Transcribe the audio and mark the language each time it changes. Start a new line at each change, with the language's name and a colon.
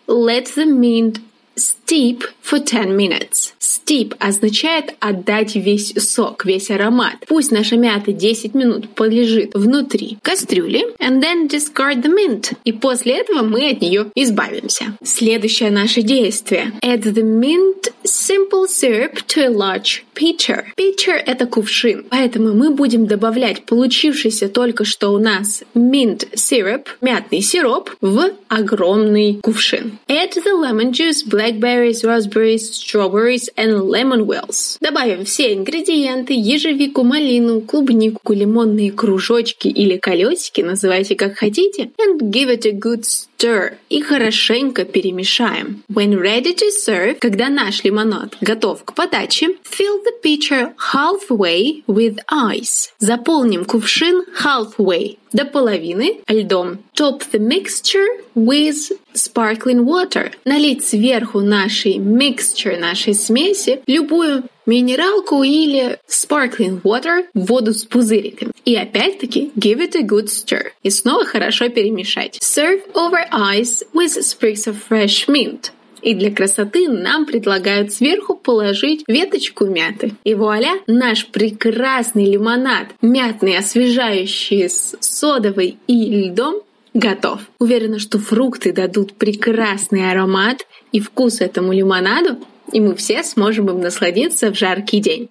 English: Let the mint steep for 10 minutes.
Russian: Steep означает отдать весь сок, весь аромат. Пусть наша мята 10 минут полежит внутри кастрюли.
English: And then discard the mint.
Russian: И после этого мы от нее избавимся. Следующее наше действие.
English: Add the mint simple syrup to a large pitcher.
Russian: Pitcher – это кувшин. Поэтому мы будем добавлять получившийся только что у нас mint syrup, мятный сироп, в огромный кувшин.
English: Add the lemon juice, blackberries, raspberries, strawberries and lemon wells.
Russian: Добавим все ингредиенты, ежевику, малину, клубнику, лимонные кружочки или колесики, называйте как хотите,
English: and give it a good stir.
Russian: И хорошенько перемешаем.
English: When ready to serve,
Russian: когда наш лимонад готов к подаче,
English: fill the pitcher halfway with ice.
Russian: Заполним кувшин halfway, до половины, льдом.
English: Top the mixture with sparkling water.
Russian: Налить сверху нашей mixture, нашей смеси, любую минералку или
English: sparkling water,
Russian: воду с пузыриками. И опять-таки,
English: give it a good stir.
Russian: И снова хорошо перемешать.
English: Serve over ice with sprigs of fresh mint.
Russian: И для красоты нам предлагают сверху положить веточку мяты. И вуаля, наш прекрасный лимонад, мятный, освежающий с содовой и льдом, готов. Уверена, что фрукты дадут прекрасный аромат и вкус этому лимонаду, и мы все сможем им насладиться в жаркий день.